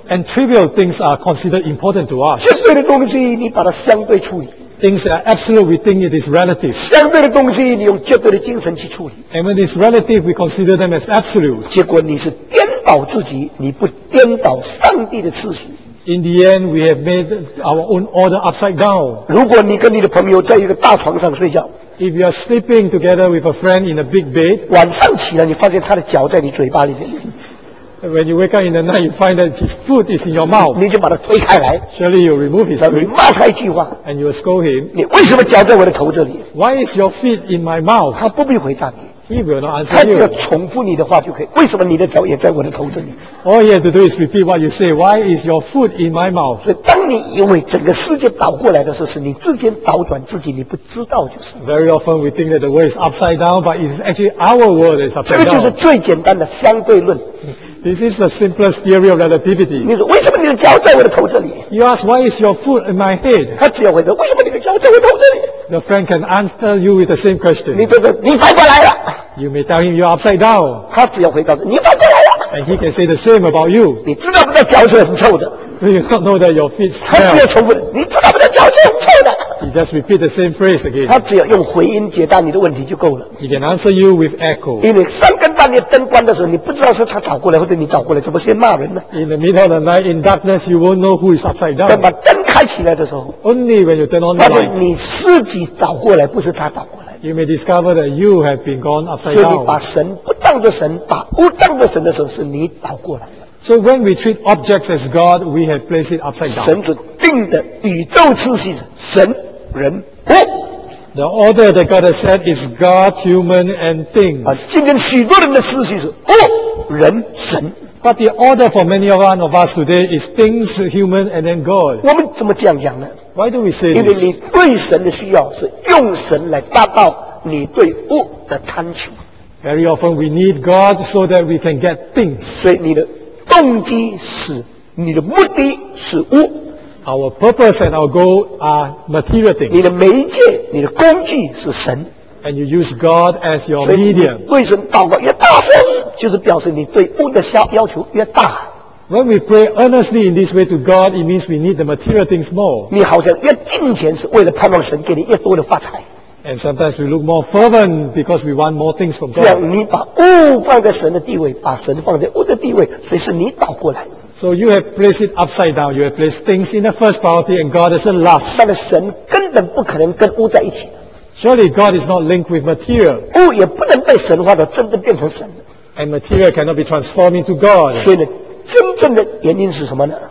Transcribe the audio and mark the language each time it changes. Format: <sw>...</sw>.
<en>And trivial things are considered important to us.</en> <zh>绝对的东西你把它相对处理</zh> <en>Things are absolute, we think it is relative.</en> <zh>相对的东西，你用绝对的精神去处理。</zh> <en>And when it's relative, we consider them as absolute.</en> <zh>结果你是颠倒自己，你不颠倒上帝的次序。</zh> <en>In the end, we have made our own order upside down.</en> <zh>如果你跟你的朋友在一个大床上睡觉。</zh> <en>If you are sleeping together with a friend in a big bed.</en> <zh>晚上起来，你发现他的脚在你嘴巴里面。</zh> <en>When you wake up in the night, you find that his food is in your mouth.</en> <zh>你就把它推开来。</zh> <en>Surely you remove his food.</en> <zh>你骂他一句话。</zh> <en>And you scold him.</en> <zh>你为什么夹在我的头这里</zh> <en>？Why is your feet in my mouth?</en> <zh>他不必回答你。</zh> <en>He will not answer you.</en> <zh>他只要重复你的话就可以。为什么你的脚也在我的头这里</zh> <en>？All he has to do is repeat what you say. Why is your food in my mouth?</en> <zh>所以当你因为整个世界倒过来的时候，是你之间倒转自己，你不知道就是。</zh> <en>Very often we think that the world is upside down, but it's actually our world is upside down.</en> <zh>这个就是最简单的相对论。</zh> <en>This is the simplest theory of relativity.</en> <zh>你说为什么你的脚在我的头这里</zh> <en>？You ask why is your foot in my head?</en> <zh>他只要回答为什么你的脚在我头这里</zh> <en>？The friend can answer you with the same question.</en> <zh>你这个你反过来了。</zh> <en>You may tell him you're upside down.</en> <zh>他只要回答你反过来了。</zh> <en>And he can say the same about you.</en> <zh>你知道不知道脚是很臭的</zh> <en>？Do you not know that your feet smell?</en> <zh>他只要重复的，你知道不知道脚是很臭的</zh> <en>？He just repeat the same phrase again.</en> <zh>他只要用回音解答你的问题就够了。</zh> <en>He can answer you with echo.</en> <zh>因为三更半夜灯关的时候，你不知道是他倒过来或者你倒过来，怎么先骂人呢</zh> <en>？In the middle of the night, in darkness, you won't know who is upside down.</en> <zh>等把灯开起来的时候</zh> <en>，Only when you turn on the light.</en> <zh>发现你自己倒过来，不是他倒过来。</zh> <en>You may discover that you have been gone upside down.</en> <zh>所以你把神不当作神，把物当作神的时候，是你倒过来了。</zh> <en>So when we treat objects as God, we have placed it upside down.</en> <zh>神是定的宇宙秩序，神、人、物。</zh> <en>The order that God has set is God, human, and things.</en> <zh>啊，今天许多人的秩序是物、人、神。</zh> <en>But the order for many of us today is things, human, and then God.</en> <zh>我们怎么这样讲呢？</zh> <en>Why do we say this?</en> <zh>因为你对神的需要是用神来达到你对物的贪求。</zh> <en>Very often we need God so that we can get things.</en> <zh>所以你的动机是你的目的是物。</zh> <en>Our purpose and our goal are material things.</en> <zh>你的媒介、你的工具是神。</zh> <en>And you use God as your medium.</en> <zh>所以你对神祷告越大声，就是表示你对物的要求越大。</zh> <en>When we pray earnestly in this way to God, it means we need the material things more.</en> <zh>你好像越进钱是为了盼望神给你越多的发财。</zh> <en>And sometimes we look more fervent because we want more things from God.</en> <zh>这样你把物放在神的地位，把神放在物的地位，所以是你倒过来。</zh> <en>So you have placed it upside down. You have placed things in the first priority, and God is the last.</en> <zh>但是神根本不可能跟物在一起。</zh> <en>Surely God is not linked with material.</en> <zh>物也不能被神化的真的变成神。</zh> <en>And material cannot be transformed into God.</en> <zh>所以呢，真正的原因是什么呢</zh>